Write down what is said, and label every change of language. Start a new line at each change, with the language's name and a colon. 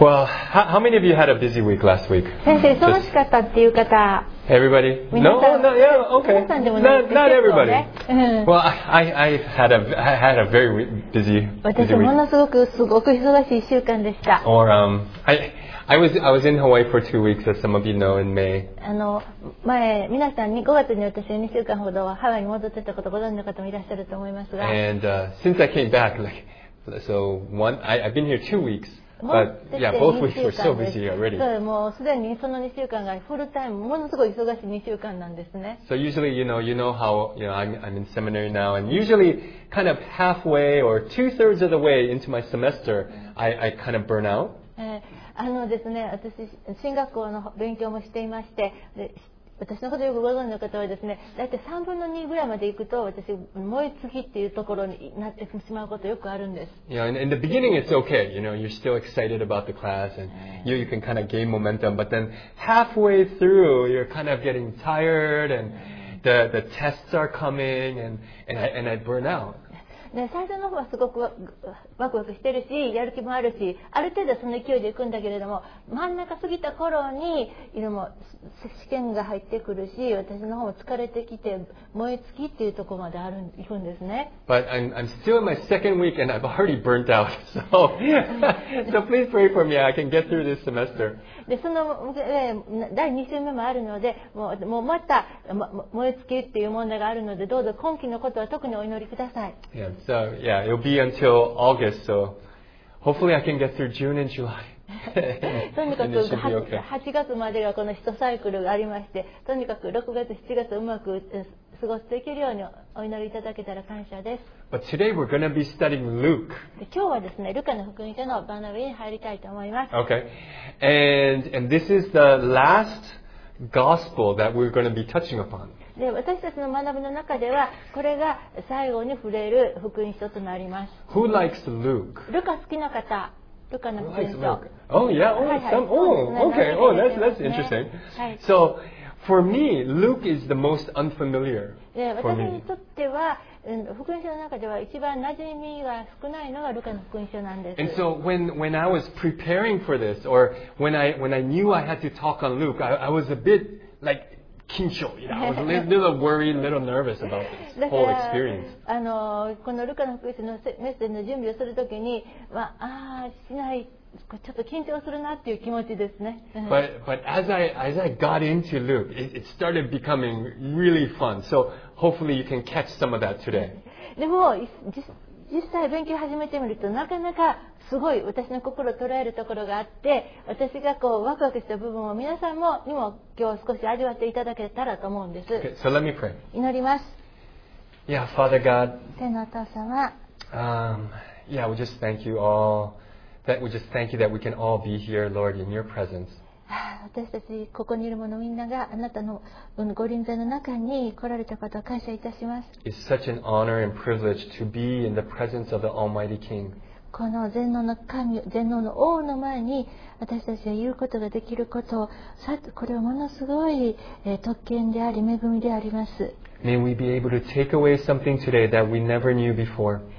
English: Well, how many of you had a busy week last week?
Japanese: 先生、忙しかったっていう方。
English: Everybody? No, no, yeah, okay. Not everybody. Well, I had a very busy week.
Japanese: 私はものすごくすごく忙しい週間でした。
English: I was in Hawaii for 2 weeks, as some of you know, in May.
Japanese: 前、皆さんに5月に私2週間ほどはハワイに戻ってたことをご存じの方もいらっしゃると思いますが。
English: And、since I came back, like, so one, I've been here 2 weeks, but yeah, both weeks were so busy already.
Japanese: そう、もうすでにその2週間がフルタイム、ものすごい忙しい2週間なんですね。
English: So usually, you know how, you know, I'm in seminary now, and usually kind of halfway or two-thirds of the way into my semester, I kind of burn out.
Japanese: ですね、私進学校の勉強もしていまして、で私のことよくご存じの方はですね、だいたい3分の2ぐらいまで行くと私燃え尽きっていうところになってしまうことよくあるんです。
English: Yeah, and in the beginning it's okay, you know, you're still excited about the class and you can kind of gain momentum, but then halfway through you're kind of getting tired and the tests are coming and I burn out.
Japanese: ね、最初の方はすごくワクワクしてるし、やる気もあるし、ある程度その勢いでいくんだけれども、真ん中過ぎた頃にも試験が入ってくるし、私の方も疲れてきて燃え尽きっていうところまで行くんですね。
English: But I'm still in my second week and I've already burnt out. So please pray for me. I can get through this semester.
Japanese: で、その第2週目もあるので、もうまた燃え尽きっていう問題があるので、どうぞ今期のことは特にお祈りください。
English: Yeah. So yeah, it'll be until August. So hopefully, I can get through June and July.
Japanese: とにかく8月までがこの一サイクルがありまして、とにかく6月7月うまく過ごしていけるようにお祈りいただけたら感謝です。
English: But today we're going to be studying Luke.
Japanese: 今日はですね、ルカの福音書の学びに入りたいと思います。
English: Okay, and this is the last gospel that we're going to be touching upon.
Japanese: で私たちの学びの中ではこれが最後に触れる福音書となります。
English: Who likes Luke?
Japanese: ルカ好きな方、ルカの福音書。
English: Oh yeah, oh, some, oh, okay, oh, that's interesting. So for me, Luke is the most unfamiliar for me.
Japanese: 私にとっては福音書の中では一番馴染みが少ないのがルカの福音書なんです。
English: And so when I was preparing for this, or when I knew I had to talk on Luke, I was a bit like,緊張、you know, I was a little worried, a little nervous about this whole experience.
Japanese: このルカの福音書のメッセージの準備をするときに、まあ、しない、ちょっと緊張するなっていう気持ちですね。
English: But as I got into Luke, it started becoming really fun. So hopefully you can catch some of that today.
Japanese: でも実際勉強始めてみると、なかなかすごい私の心を捉えるところがあって、私がこうワクワクした部分を皆さんもにも今日少し味わっていただけたらと思うんです。
English: Okay, so let me pray.
Japanese: 祈ります。
English: Yeah, Father God,
Japanese: 天のお父様、
English: yeah, we just thank you all that we just thank you that we can all be here, Lord, in your presence.
Japanese: 私たちここにいる者みんながあなたのご臨在の中に来られたことを感謝いたします。
English: It's such an honor and privilege to be in the presence of the Almighty King
Japanese: この全能の神、全能の王の前に私たちが言うことができることを、これはものすごい特権であり恵みであります。
English: May we be able to take away something today that we never knew before.